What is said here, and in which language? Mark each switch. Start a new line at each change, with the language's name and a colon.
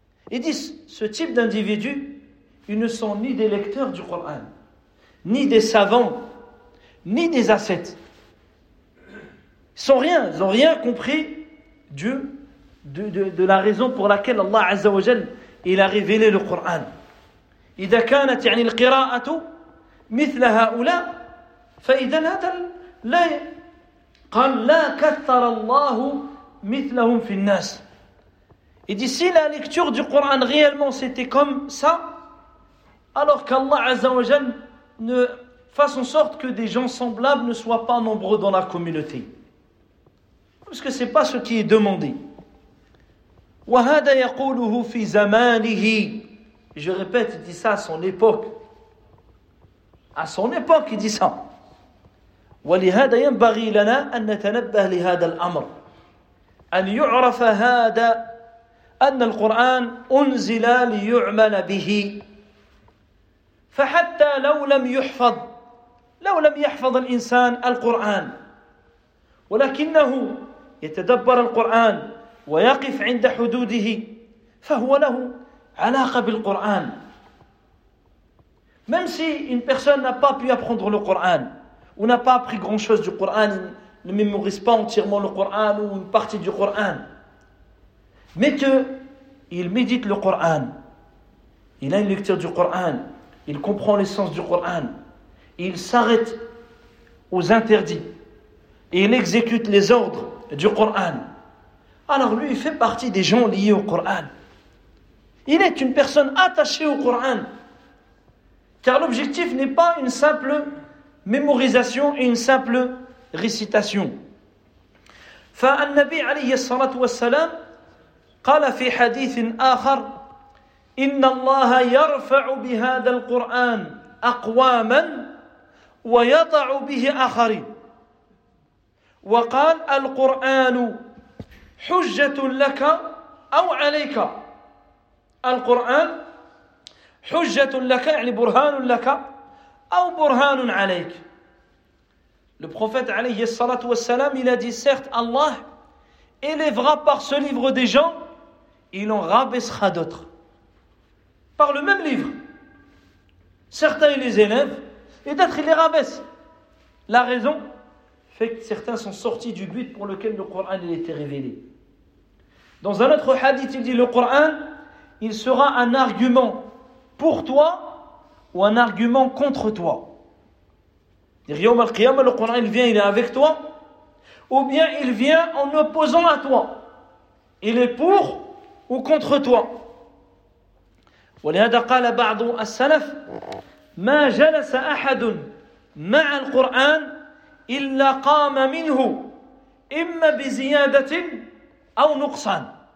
French: Ils disent, ce type d'individus, ils ne sont ni des lecteurs du Coran, ni des savants, ni des ascètes. Ils sont rien, ils n'ont rien compris de la raison pour laquelle Allah Azza wa Jal il a révélé le Coran.
Arabic: إذا كانت يعني القراءة مثل هؤلاء فإذا هذا لا قال لا كثر الله مثلهم في الناس.
French: Il dit, si la lecture du Coran réellement c'était comme ça, alors qu'Allah Azza wa Jal ne fasse en sorte que des gens semblables ne soient pas nombreux dans la communauté. Parce que ce n'est pas ce qui est demandé.
Arabic: وَهَذَا يَقُولُهُ فِي زَمَانِهِ.
French: Je répète, il dit ça à son époque. À son époque, il dit ça.
Arabic: وَلِهَذَا يَنْبَغِي لَنَا أَن نَتَنَبَّهْ لِهَذَا الْأَمْرِ أَن يُعْرَفَ هَذَا أن القرآن أنزل ليعمل به فحتى لو لم يحفظ لو لم يحفظ الإنسان القرآن ولكنه يتدبر القرآن ويقف عند حدوده فهو له علاقة بالقرآن.
French: Même si une personne n'a pas pu apprendre le Coran ou n'a pas appris grand chose du Coran, ne mémorise pas entièrement le Coran ou une partie du Coran, mais qu'il médite le Coran, il a une lecture du Coran, il comprend l'essence du Coran, il s'arrête aux interdits, et il exécute les ordres du Coran, alors lui, il fait partie des gens liés au Coran. Il est une personne attachée au Coran, car l'objectif n'est pas une simple mémorisation et une simple récitation.
Arabic: فالنبي عليه الصلاة والسلام قال في حديث آخر إن الله يرفع بهذا القرآن أقواما ويضع به آخرين وقال القرآن حجة لك أو عليك. القرآن حجة لك يعني برهان لك أو برهان عليك.
French: Le prophète
Arabic: عليه الصلاة والسلام
French: il a dit certes Allah élèvera par ce livre des gens, il en rabaissera d'autres. Par le même livre. Certains, ils les élèvent, et d'autres, ils les rabaissent. La raison fait que certains sont sortis du but pour lequel le Coran a été révélé. Dans un autre hadith, il dit, le Coran, il sera un argument pour toi ou un argument contre toi.
Arabic: Yawm al-Qiyam,
French: le Coran, il vient, il est avec toi. Ou bien il vient en opposant à toi. Il est pour ou contre toi.
Arabic: ولهذا قال بعض السلف ما جلس احد مع القران الا قام منه اما بزياده او نقصان.